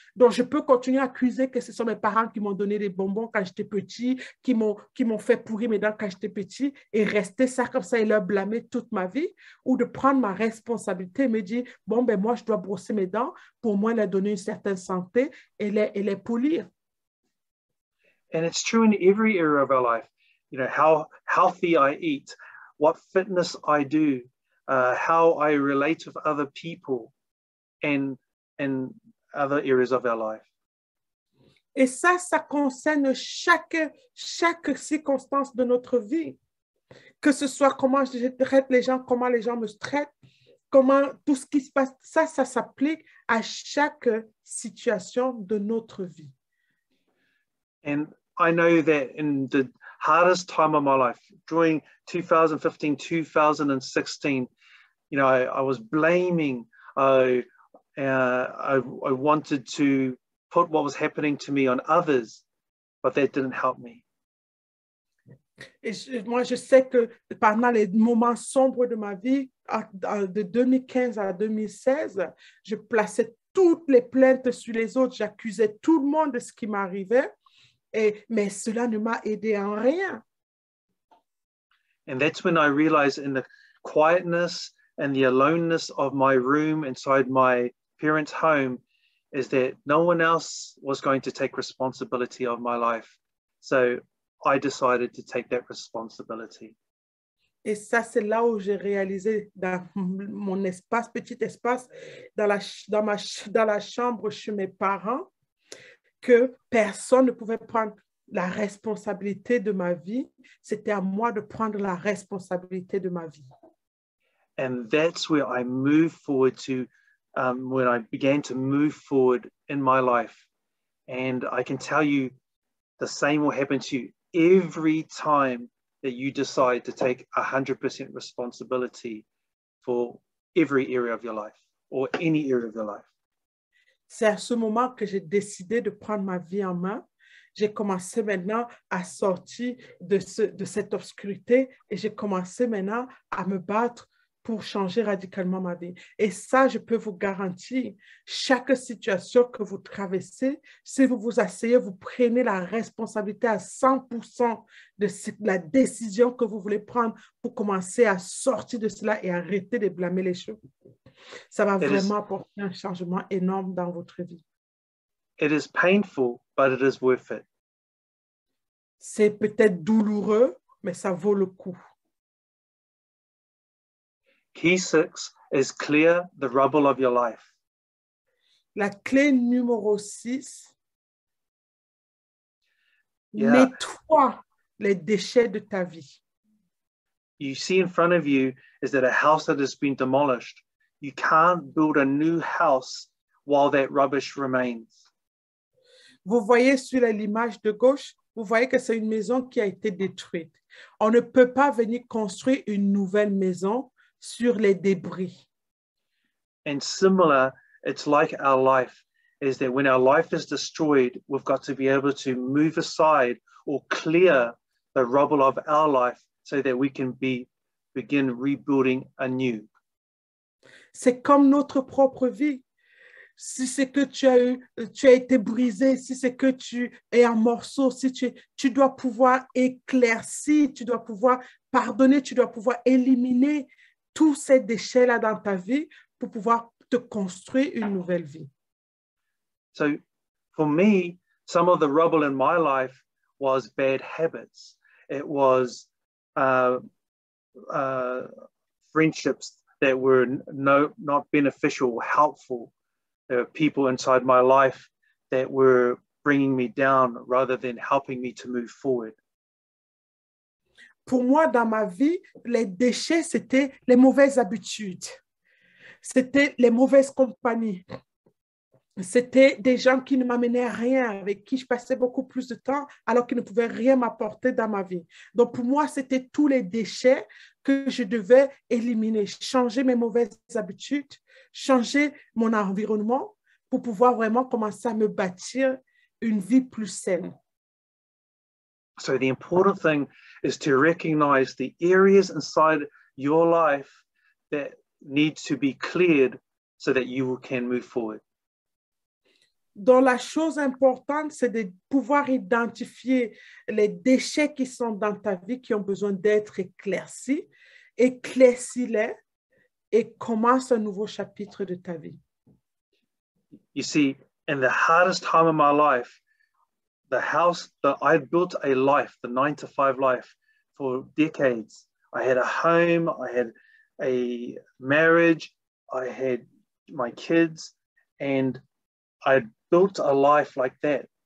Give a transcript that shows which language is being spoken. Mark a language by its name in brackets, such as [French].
[French] Donc, je peux continuer à accuser que ce sont mes parents qui m'ont donné des bonbons quand j'étais petit, qui m'ont fait pourrir mes dents quand j'étais petit, et rester ça comme ça et leur blâmer toute ma vie, ou de prendre ma responsabilité et me dire, bon, ben moi, je dois brosser mes dents pour moi leur donner une certaine santé et les polir. [English] And it's true in every area of our life. You know, how healthy I eat, what fitness I do, how I relate with other people, and other areas of our life. [French] Et ça concerne chaque circonstance de notre vie. Que ce soit comment je traite les gens, comment les gens me traitent, comment tout ce qui se passe, ça s'applique à chaque situation de notre vie. [English] And I know that in the hardest time of my life, during 2015-2016, you know, I was blaming, I wanted to put what was happening to me on others, but that didn't help me. [French] Et moi, je sais que pendant les moments sombres de ma vie, de 2015 à 2016, je plaçais toutes les plaintes sur les autres, j'accusais tout le monde de ce qui m'arrivait, mais cela ne m'a aidé en rien. [English] And that's when I realized in the quietness and the aloneness of my room inside my parents' home is that no one else was going to take responsibility of my life. So I decided to take that responsibility. [French] Et ça, c'est là où j'ai réalisé dans mon espace, petit espace, dans la chambre chez mes parents, que personne ne pouvait prendre la responsabilité de ma vie. C'était à moi de prendre la responsabilité de ma vie. [English] And that's where I moved forward to, when I began to move forward in my life. And I can tell you, the same will happen to you every time that you decide to take 100% responsibility for every area of your life or any area of your life. [French] C'est à ce moment que j'ai décidé de prendre ma vie en main. J'ai commencé maintenant à sortir de cette obscurité et j'ai commencé maintenant à me battre pour changer radicalement ma vie. Et ça, je peux vous garantir, chaque situation que vous traversez, si vous vous asseyez, vous prenez la responsabilité à 100% de la décision que vous voulez prendre pour commencer à sortir de cela et arrêter de blâmer les choses. Ça va vraiment apporter un changement énorme dans votre vie. [English] It is painful, but it is worth it. [French] C'est peut-être douloureux, mais ça vaut le coup. [English] Key six is clear the rubble of your life. [French] La clé numéro six, yeah. Nettoie les déchets de ta vie. [English] You see in front of you is that a house that has been demolished. You can't build a new house while that rubbish remains. [French] Vous voyez sur l'image de gauche, vous voyez que c'est une maison qui a été détruite. On ne peut pas venir construire une nouvelle maison sur les débris. [English] And similar, it's like our life, is that when our life is destroyed, we've got to be able to move aside or clear the rubble of our life so that we can begin rebuilding anew. [French] C'est comme notre propre vie. Si c'est que tu as été brisé, si c'est que tu es en morceaux, si tu dois pouvoir éclaircir, tu dois pouvoir pardonner, tu dois pouvoir éliminer tous ces déchets-là dans ta vie pour pouvoir te construire une nouvelle vie. [English] So, for me, some of the rubble in my life was bad habits. It was friendships that were not beneficial, helpful. There were people inside my life that were bringing me down rather than helping me to move forward. [French] Pour moi, dans ma vie, les déchets, c'était les mauvaises habitudes. C'était les mauvaises compagnies. C'était des gens qui ne m'amenaient rien, avec qui je passais beaucoup plus de temps, alors qu'ils ne pouvaient rien m'apporter dans ma vie. Donc, pour moi, c'était tous les déchets que je devais éliminer, changer mes mauvaises habitudes, changer mon environnement pour pouvoir vraiment commencer à me bâtir une vie plus saine. [English] So the important thing is to recognize the areas inside your life that need to be cleared so that you can move forward. [French] Donc la chose importante, c'est de pouvoir identifier les déchets qui sont dans ta vie qui ont besoin d'être éclaircis, éclaircis-les et commence un nouveau chapitre de ta vie. [English] You see, in the hardest time of my life, the house that I built a life, the 9-to-5 life for decades. I had a home, I had a marriage, I had my kids, and I built a life like that.